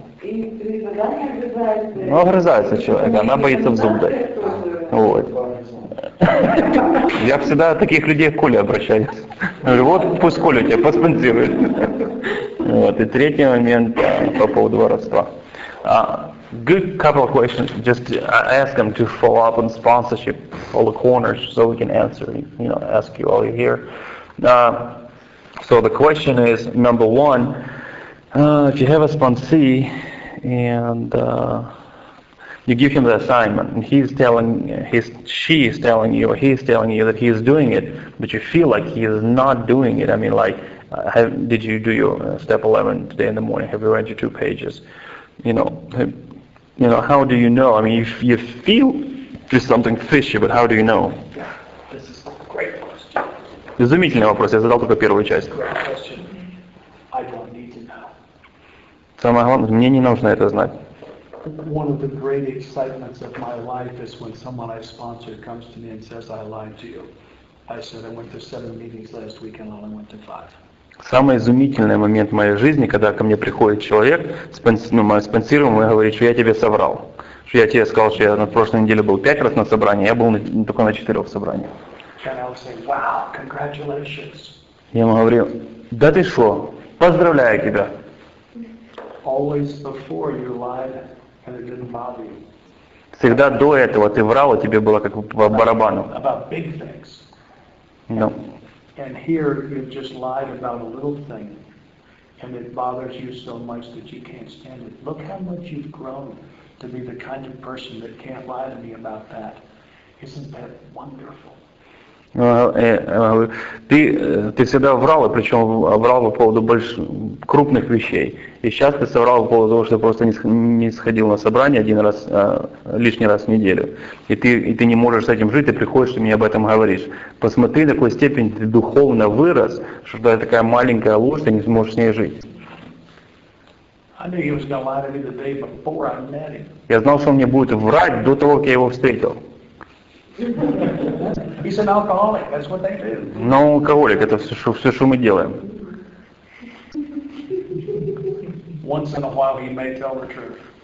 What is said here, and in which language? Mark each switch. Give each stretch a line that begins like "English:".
Russian: И при задании огрызается. Ну, огрызается человек, она боится в зуб дать. Вот. Я всегда таких людей к Коле обращаюсь. Вот пусть Коля тебя поспонсирует. Вот. И третий момент по поводу воровства.
English: Good couple of questions. Just ask them to follow up on sponsorship, all the corners, so we can answer, you know, ask you while you're here. So the question is, number one, if you have a sponsee and you give him the assignment, and she is telling you that he is doing it, but you feel like he is not doing it. I mean, like, did you do your step 11 today in the morning? Have you read your two pages? You know, how do you know? I mean, you feel there's something fishy, but how do you know? This is a great question.
Russian: Изумительный вопрос. Я задал только первую часть.
English: Great question. I don't need to know.
Russian: Самое главное, мне не нужно это знать.
English: One of the great excitements of my life is when someone I sponsor comes to me and says, I lied to you. I said I went to 7 meetings last week and only went to 5.
Russian: Самый изумительный момент в моей жизни, когда ко мне приходит человек, спонсируемый, и говорит, что я тебе соврал. Что я тебе сказал, что я на прошлой неделе был 5 раз на собрании, я был только на 4 собраниях.
English: And I'll say, wow, congratulations.
Russian: Я ему говорю, да ты что, поздравляю тебя.
English: Always before you lied and it didn't bother you.
Russian: Всегда до этого ты врал, и тебе было как по барабану.
English: About big things. No. And here you've just lied about a little thing, and it bothers you so much that you can't stand it. Look how much you've grown to be the kind of person that can't lie to me about that. Isn't that wonderful?
Russian: Ты всегда врал, и причем врал по поводу больших, крупных вещей. И сейчас ты соврал по поводу того, что ты просто не сходил на собрание один раз, лишний раз в неделю. И ты не можешь с этим жить, и приходишь, и мне об этом говоришь. Посмотри, на какой степени ты духовно вырос, что ты такая маленькая ложь, ты не сможешь с ней жить. Я знал, что он мне будет врать до того, как я его встретил.
English: He's an alcoholic. That's what they do.
Russian: Но алкоголик, это все, что мы делаем.
English: Once in a while, he may tell the truth.